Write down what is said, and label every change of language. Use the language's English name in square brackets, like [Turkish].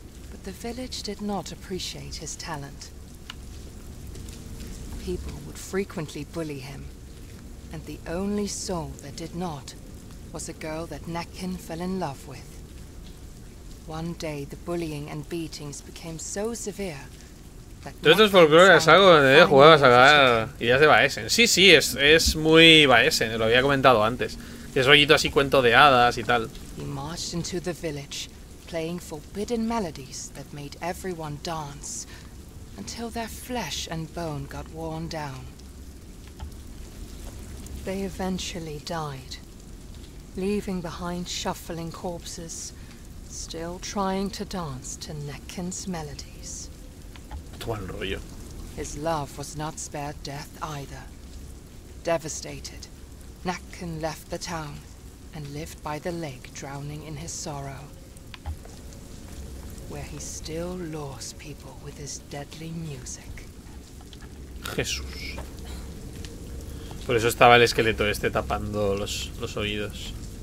[English] But the village did not appreciate his talent. People would frequently bully him. And the only soul that did not was a girl that Nakin fell in love with. One day, the bullying and beatings became so severe that... [Spanish] Todo esto es folclore, es algo donde jugabas a ganar ideas de Baesen. Sí, sí, es muy Baesen, lo había comentado antes. Es rollito así, cuento de hadas y tal. [English] He marched into the village, playing forbidden melodies that made everyone dance. Until their flesh and bone got worn down. They eventually died, leaving behind shuffling corpses, still trying to dance to Nekin's melodies. His love was not spared death either. Devastated, Nakin left the town and lived by the lake, drowning in his sorrow. Where he still lures people with his deadly music. [Spanish] Jesús. Por eso estaba el esqueleto este tapando los oídos.